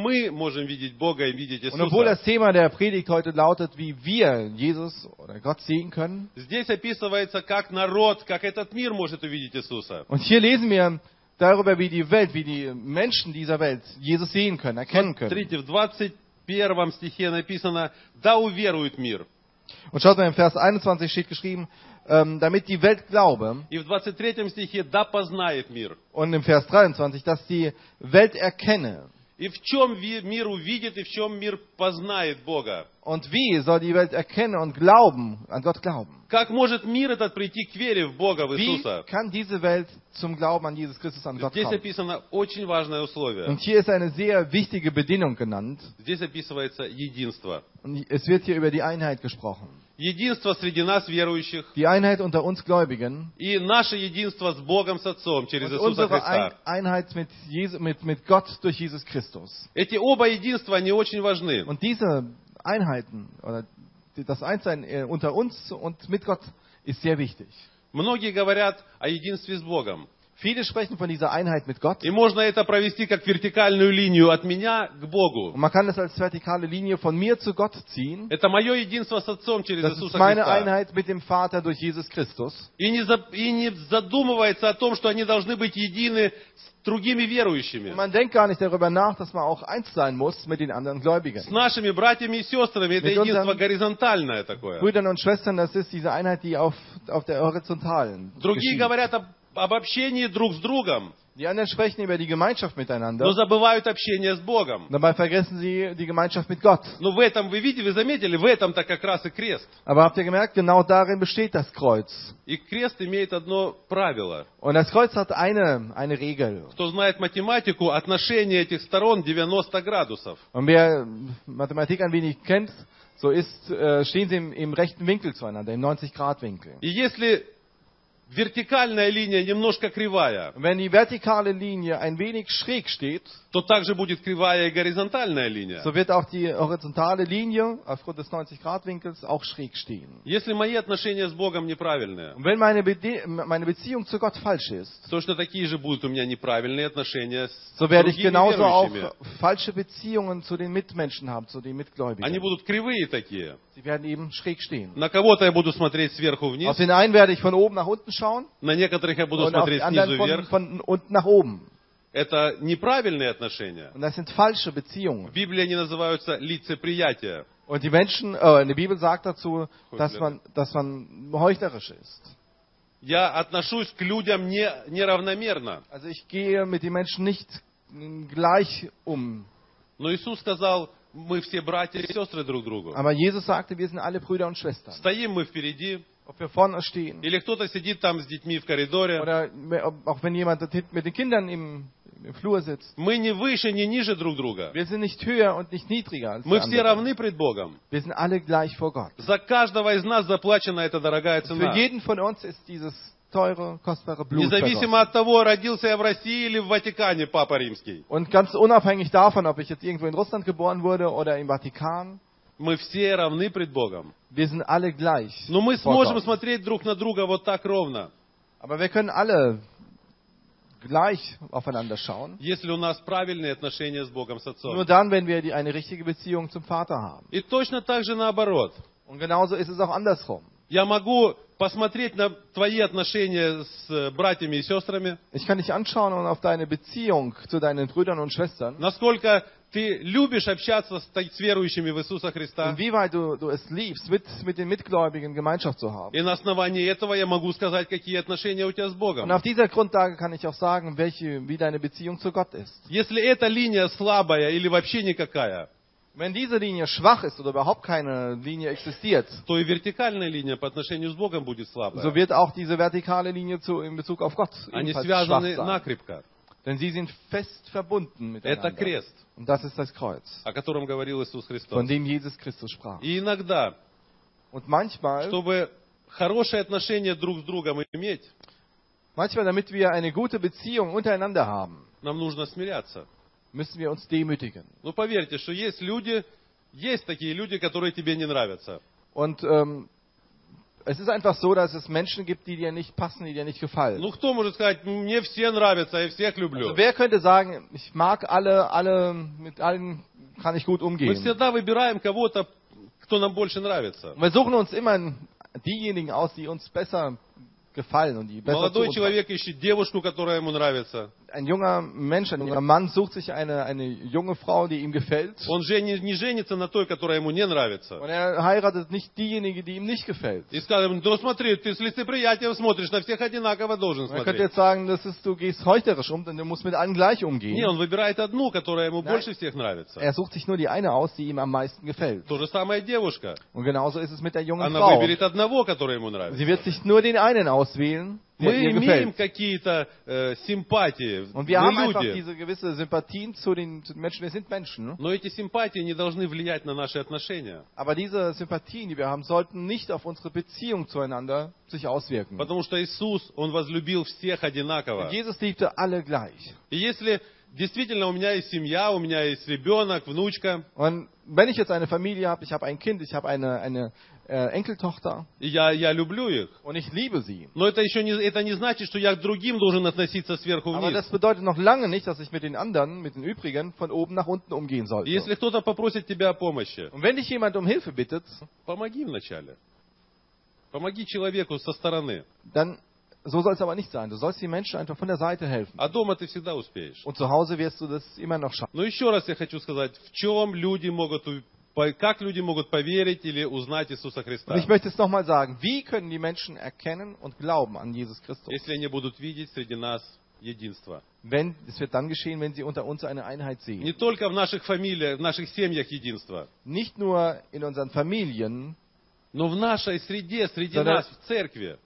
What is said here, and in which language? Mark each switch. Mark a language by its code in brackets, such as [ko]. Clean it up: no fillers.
[de] Und obwohl das Thema der Predigt heute lautet, wie wir Jesus oder Gott sehen können, und hier lesen wir darüber, wie die Welt, wie die Menschen dieser Welt Jesus sehen können, erkennen können. [ru] В первом стихе написано, да уверует мир. [de] Und schaut mal, in Vers 21 steht geschrieben, damit die Welt glaube. [ru] И в 23 стихе, да познает мир. [de] Und im Vers 23, dass die Welt erkenne. [ru] И в чем мир увидит, и в чем мир познает Бога. [de] Und wie soll die Welt erkennen und glauben, an Gott glauben? [ru] Как может мир этот прийти к вере в Бога, в Иисуса? [de] Wie kann diese Welt zum Glauben an Jesus Christus, an Gott kommen? [ru] Здесь описано очень важное условие. [de] Und hier ist eine sehr wichtige Bedingung genannt. [ru] Здесь описывается единство. [de] Und es wird hier über die Einheit gesprochen. [ru] Единство среди нас верующих. [de] Die Einheit unter uns Gläubigen. [ru] И наше единство с Богом, с Отцом через Иисуса Христа. [de] Und unsere Einheit mit Gott durch Jesus Christus. [ru] Эти оба единства, они очень важны. [de] Und diese Einheiten oder das Einssein unter uns und mit Gott ist sehr wichtig. [ru] Многие говорят о единстве с Богом. [de] Viele sprechen von dieser Einheit mit Gott. [ru] И можно это провести как вертикальную линию от меня к Богу. [de] Man kann das als vertikale Linie von mir zu Gott ziehen. [ru] Это мое единство с Отцом через Иисуса Христа. [de] Das ist meine Einheit mit dem Vater durch Jesus Christus. [ru] И не задумывается о том, что они должны быть едины с другими верующими. [de] Man denkt gar nicht darüber nach, dass man auch eins sein muss mit den anderen Gläubigen. [ru] С нашими братьями и сестрами это единство горизонтальное такое. [de] Brüdern und Schwestern, das ist diese Einheit, die auf der horizontalen. [ru] Другие говорят об общении друг с другом. [de] Die anderen sprechen über die Gemeinschaft miteinander. [ru] Но забывают общение с Богом. [de] Dabei vergessen sie die Gemeinschaft mit Gott. [ru] Но в этом вы видите, вы заметили, в этом-то как раз и крест. [de] Aber habt ihr gemerkt, genau darin besteht das Kreuz. [ru] И крест имеет одно правило. [de] Und das Kreuz hat eine Regel. [ru] Кто знает математику, отношение этих сторон 90 градусов. [de] Und wer Mathematik ein wenig kennt, so stehen sie im rechten Winkel zueinander, im 90-Grad-Winkel. [ru] И если вертикальная линия немножко кривая. [de] Wenn die vertikale Linie ein wenig schräg steht, [ru] то также будет кривая и горизонтальная линия. [de] So wird auch die horizontale Linie aufgrund des 90-Grad-Winkels auch schräg stehen. [ru] Если мои отношения с Богом неправильные, [de] wenn meine Beziehung zu Gott falsch ist, [ru] точно такие же будут у меня неправильные отношения с [de] so werde ich genauso auch falsche Beziehungen zu den Mitmenschen haben, zu den Mitgläubigen. [ru] Они будут кривые такие. [de] Sie werden eben schräg stehen. [ru] На кого-то я буду смотреть сверху вниз. [de] Auf den einen werde ich von oben nach unten schauen. [ru] На некоторых я буду смотреть снизу вверх. [de] Von unten nach oben. [ru] Это неправильные отношения. [de] Und das sind falsche Beziehungen. [ru] В Библии они называются лицеприятия. [de] Und die Menschen, die Bibel sagt dazu, dass man heuchlerisch ist. [ru] Я отношусь к людям неравномерно. [de] Also ich gehe mit den Menschen nicht gleich um. [ru] Но Иисус сказал, мы все братья и сестры друг другу. [de] Aber Jesus sagte, wir sind alle Brüder und Schwestern. [ru] Стоим мы впереди. [de] Ob wir vorne stehen. [ru] Или кто-то сидит там с детьми в коридоре. [de] Oder auch wenn jemand mit den Kindern im Flur sitzt. [ru] Мы не выше, не ниже друг друга. [de] Wir sind nicht höher und nicht niedriger als [ru] мы все равны пред Богом. [de] Wir sind alle gleich vor Gott. [ru] За каждого из нас заплачена эта дорогая цена. [de] Für jeden von uns ist dieses teure, kostbare Blut. [ru] Независимо от того, родился я в России или в Ватикане, Папа Римский. [de] Und ganz unabhängig davon, ob ich jetzt irgendwo in Russland geboren wurde oder im Vatikan. [ru] Мы все равны пред Богом. [de] Wir sind alle gleich. [ru] Но мы сможем смотреть друг на друга вот так ровно. [de] Aber wir können alle gleich aufeinander schauen. [ru] Если у нас правильные отношения с Богом, с Отцом. [de] Nur dann, wenn wir eine richtige Beziehung zum Vater haben. [ru] И точно так же наоборот. [de] Und genauso ist es auch andersrum. [ru] Я могу посмотреть на твои отношения с братьями и сестрами. [de] Ich kann dich anschauen und auf deine Beziehung zu deinen Brüdern und Schwestern. [ru] Насколько ты любишь общаться с верующими в Иисуса Христа. [de] Inwieweit du es liebst, mit den Mitgläubigen Gemeinschaft zu haben. [ru] И на основании этого я могу сказать, какие отношения у тебя с Богом. [de] Und auf dieser Grundlage kann ich auch sagen, wie deine Beziehung zu Gott ist. [ru] Если эта линия слабая или вообще никакая. [de] Wenn diese Linie schwach ist oder überhaupt keine Linie existiert, [ru] то и вертикальная линия по отношению с Богом будет слабая. [de] So wird auch diese vertikale Linie in Bezug auf Gott ebenfalls schwach sein. [ru] Они связаны накрепко. [de] Denn sie sind fest verbunden miteinander. [ru] Это крест. [de] Und das ist das Kreuz, [ru] о котором говорил Иисус Христос. [de] Von dem Jesus Christus sprach. [ru] И иногда, [de] und manchmal, [ru] чтобы хорошие отношения друг с другом иметь, [de] manchmal, damit wir eine gute Beziehung untereinander haben, [ru] нам нужно смиряться. [de] Müssen wir uns demütigen. [ru] Ну поверьте, что есть такие люди, которые тебе не нравятся. [de] Und es ist einfach so, dass es Menschen gibt, die dir nicht passen, die dir nicht gefallen. [ru] Ну кто может сказать, мне все нравятся, я всех люблю. [de] Also, wer könnte sagen, ich mag alle, mit allen kann ich gut umgehen. [ru] Мы всегда выбираем кого-то, кто нам больше нравится. [de] Wir suchen uns immer diejenigen aus, die uns besser gefallen und die besser zu uns. [ru] Молодой человек ищет девушку, которая ему нравится. [de] Ein junger Mensch, ein junger Mann sucht sich eine junge Frau, die ihm gefällt. [ru] Он не женится на той, которая ему не нравится. [de] Und er heiratet nicht diejenige, die ihm nicht gefällt. [ru] И скажем, ну смотри, ты с лицеприятием смотришь, на всех одинаково должен смотреть. [de] Man könnte jetzt sagen, das ist, du gehst heuchlerisch um, denn du musst mit allen gleich umgehen. [ru] Не, он выбирает одну, которая ему больше всех нравится. [de] Er sucht sich nur die eine aus, die ihm am meisten gefällt. [ru] То же самое девушка. [de] Und genauso ist es mit der jungen [ru] Она [de] Frau. [ru] Она выберет одного, который ему нравится. [de] Sie wird sich nur den einen auswählen. [ru] Мы имеем какие-то симпатии. [de] Und wir haben einfach diese gewisse Sympathien zu den Menschen. Wir sind Menschen. [ru] Но эти симпатии не должны влиять на наши отношения. [de] Aber diese Sympathien, die wir haben, sollten nicht auf unsere Beziehung zueinander sich auswirken. [ru] Потому что Иисус, Он возлюбил всех одинаково. [de] Jesus liebte alle gleich. [ru] И если действительно у меня есть семья, у меня есть ребенок, внучка. [de] Und wenn ich jetzt eine Familie habe, ich habe ein Kind, ich habe eine Enkeltochter. [ru] Я люблю их. [de] Und ich liebe sie. [ru] Но это не значит, что я к другим должен относиться сверху вниз. [de] Aber das bedeutet noch lange nicht, dass ich mit den anderen, mit den übrigen, von oben nach unten umgehen sollte. [ru] Если кто-то попросит тебя о помощи. [de] Und wenn dich jemand um Hilfe bittet. [ru] Помоги вначале. Помоги человеку со стороны. [de] Dann so soll es aber nicht sein. Du sollst den Menschen einfach von der Seite helfen. [ru] А дома ты всегда успеешь. [de] Und zu Hause wirst du das immer noch schaffen. [ru] Но еще раз я хочу сказать, в чем люди могут как люди могут поверить или узнать Иисуса Христа? [de] Und ich möchte es nochmal sagen. Wie können die Menschen erkennen und glauben an Jesus Christus? [ru] Если они будут видеть среди нас единство. [de] Es wird dann geschehen, wenn sie unter uns eine Einheit sehen. [ru] Не только в наших фамилиях, в наших семьях единство. [de] Nicht nur in unseren Familien. [ru] Но в нашей среде, среди нас, в церкви.